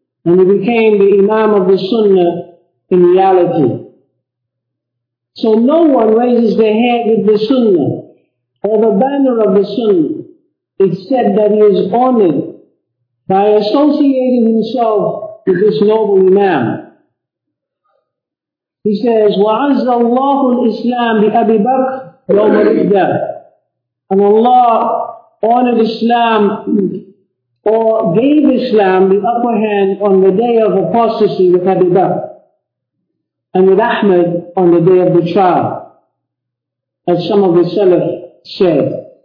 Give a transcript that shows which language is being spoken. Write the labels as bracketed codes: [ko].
[en] And he became the Imam of the Sunnah in reality. So no one raises their head with the Sunnah or the banner of the Sunnah except that he is honored by associating himself with this noble Imam. He says, [ar] وَعَزَّ اللَّهُ الْإِسْلَامِ بِأَبِي بَكْرٍ يَوْمَ الْإِحْدَاثِ. [en] And Allah honored Islam, or gave Islam the upper hand on the day of apostasy with Abu Bakr, and with Ahmad on the day of the trial, as some of the Salaf said.